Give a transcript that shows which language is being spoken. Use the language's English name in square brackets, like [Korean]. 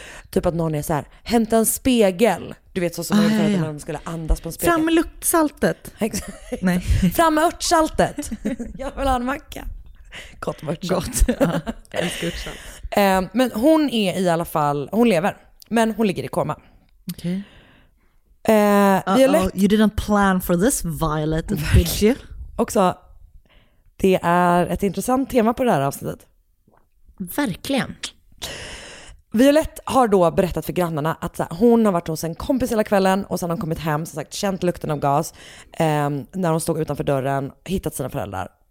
[Swedish] Typ att någon är så här, hämta en spegel. Du vet, så som man gjorde när de skulle andas på en spegel. Fram med luktsaltet. Nej. Fram med örtsaltet. Jag vill ha en macka. Gott med örtsalt. Gott, ja. Älskar örtsalt. Men hon är i alla fall, hon lever. Men hon ligger i koma. Okej. Okay. Violette, [English] you didn't plan for this, Violet, did you? [Swedish] Också, det är ett intressant tema på det här avsnittet. Verkligen. Violette har då berättat för grannarna att så här, hon har varit hos en kompis hela kvällen och sen har hon kommit hem, som sagt, känt lukten av gas när hon stod utanför dörren och hittat sina föräldrar.